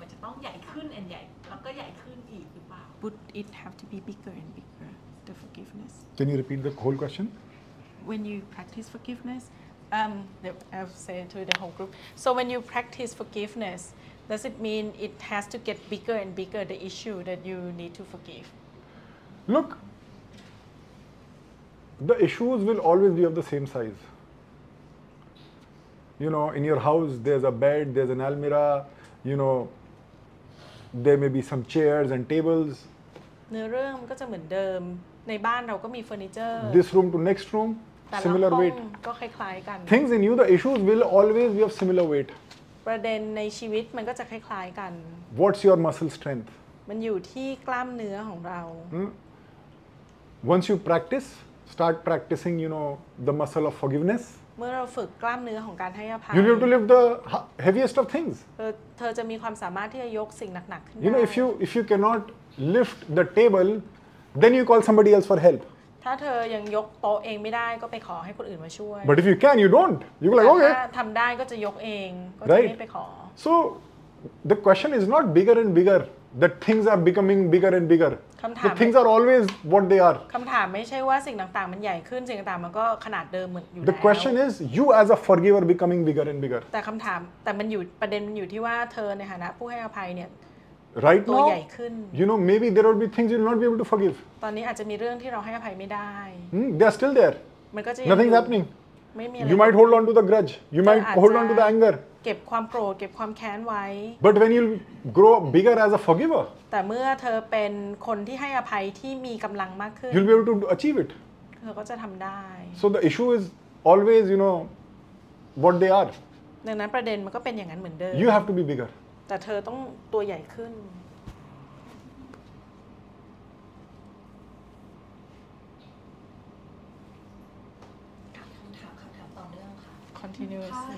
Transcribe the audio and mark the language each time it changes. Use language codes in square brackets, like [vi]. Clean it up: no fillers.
[th] มันจะต้องใหญ่ขึ้นแล้วก็ใหญ่ขึ้นอีกหรือเปล่า [en] Would it have to be bigger and bigger the practice forgiveness. Can you repeat the whole question? When you practice forgiveness, I've said to the whole group. So when you practice forgiveness, does it mean it has to get bigger and bigger, the issue that you need to forgive? Look, the issues will always be of the same size. You know, in your house, there's a bed, there's an almirah, you know, there may be some chairs and tables. This room to next room, similar weight. Things in you, the issues will always be of similar weight. [th] ประเด็นในชีวิตมันก็จะคล้ายๆกัน [en] What's your muscle strength? [th] มันอยู่ที่กล้ามเนื้อของเรา [en] Once you practice, start practicing, you know, the muscle of forgiveness. [th] เมื่อเราฝึกกล้ามเนื้อของการให้อภัย [en] You need to lift the heaviest of things. [th] เธอจะมีความสามารถที่จะยกสิ่งหนักๆขึ้นได้ [en] You know, if you cannot lift the table, then you call somebody else for help. [th] ถ้าเธอยังยกโต๊ะเองไม่ได้ก็ไปขอให้คนอื่นมาช่วย [en] But if you can, you don't. You go like, okay. [th] ถ้าทำได้ก็จะยกเองก็จะไม่ไปขอ [en] So, the question is not bigger and bigger. That things are becoming bigger and bigger. The things are always what they are. [th] คำถามไม่ใช่ว่าสิ่งต่างๆมันใหญ่ขึ้นสิ่งต่างๆมันก็ขนาดเดิมเหมือนอยู่แล้ว [en] The question is, you as a forgiver becoming bigger and bigger. [th] แต่คำถามแต่มันอยู่ประเด็นมันอยู่ที่ว่าเธอในฐานะผู้ให้อภัยเนี่ย [en] Right now, you know, maybe there will be things you will not be able to forgive. [th] ตอนนี้อาจจะมีเรื่องที่เราให้อภัยไม่ได้ [en] They are still there. [th] มันก็จะ [en] Nothing's happening. [th] ไม่มี [en] You might hold on to the grudge. You might hold on to the anger. [th] เก็บความโกรธเก็บความแค้นไว้ [en] But when you grow bigger as a forgiver, [th] แต่เมื่อเธอเป็นคนที่ให้อภัยที่มีกำลังมากขึ้น [en] You'll be able to achieve it. [th] เธอก็จะทำได้ [en] So the issue is always, you know, what they are. [th] ดังนั้นประเด็นมันก็เป็นอย่างนั้นเหมือนเดิม [en] You have to be bigger. [th] แต่เธอต้องตัวใหญ่ขึ้น คำถามต่อเนื่องค่ะ [en] continuous